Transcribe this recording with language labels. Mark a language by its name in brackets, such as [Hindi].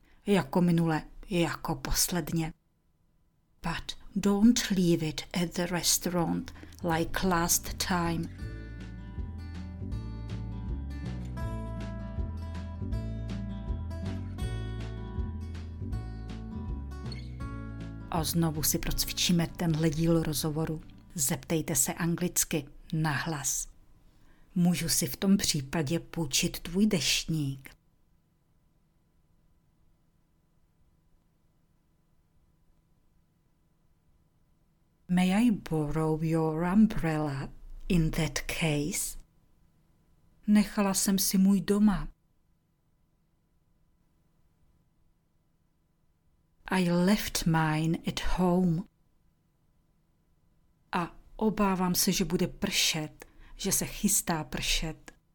[Czech] Jako minule, jako posledně. [English] But don't leave it at the restaurant like last time. [Czech] A znovu si procvičíme tenhle díl rozhovoru. Zeptejte se anglicky nahlas. Můžu si v tom případě půjčit tvůj deštník? [English] May I borrow your umbrella in that case? [Czech] Nechala jsem si můj doma. [English] I left mine at home. [Czech] A obávám se, že bude pršet, že se chystá pršet.